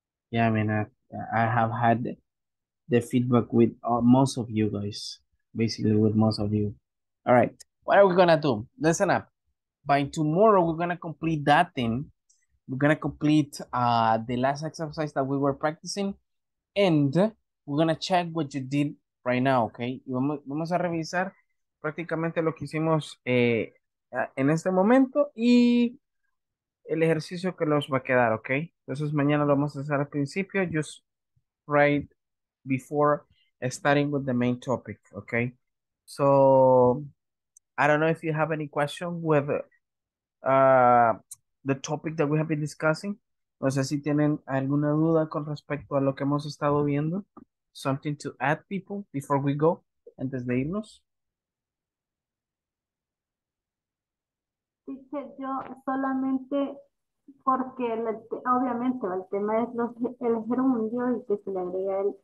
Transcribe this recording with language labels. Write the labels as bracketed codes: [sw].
[en] Yeah, I mean, I have had the feedback with most of you guys, basically with most of you. All right, what are we going to do? Listen up. By tomorrow, we're going to complete that thing. We're going to complete the last exercise that we were practicing. And we're going to check what you did right now, okay? [es] Y vamos a revisar prácticamente lo que hicimos en este momento y el ejercicio que nos va a quedar, okay? [en] Entonces mañana lo vamos a hacer al principio, just right before starting with the main topic, okay? So, I don't know if you have any question with the topic that we have been discussing. [es] No sé si tienen alguna duda con respecto a lo que hemos estado viendo. [en] Something to add, people, before we go, antes de irnos. [es] Dice yo solamente porque obviamente el tema es el gerundio y que se le agrega el